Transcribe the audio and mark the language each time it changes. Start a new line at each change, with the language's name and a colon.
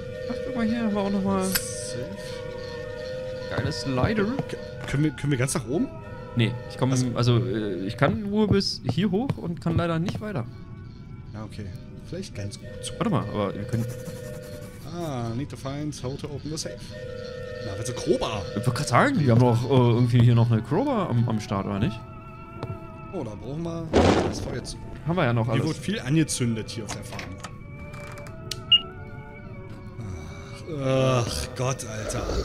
German: Ach, guck mal hier, haben wir auch nochmal. Geiles Slider. Können wir ganz nach oben? Nee, ich komme. Also, ich kann nur bis hier hoch und kann leider nicht weiter. Ja, okay. Vielleicht ganz gut. Warte mal, aber wir können.
English: Ah, need to find how to open the safe.
German: Na, willst du Krober? Ich wollte gerade sagen, wir haben doch irgendwie hier noch eine Krober am Start, oder nicht? Oh, da brauchen wir das Feuer zu. Haben wir ja noch alles. Hier wurde viel angezündet hier auf der Farm. Ach Gott, Alter.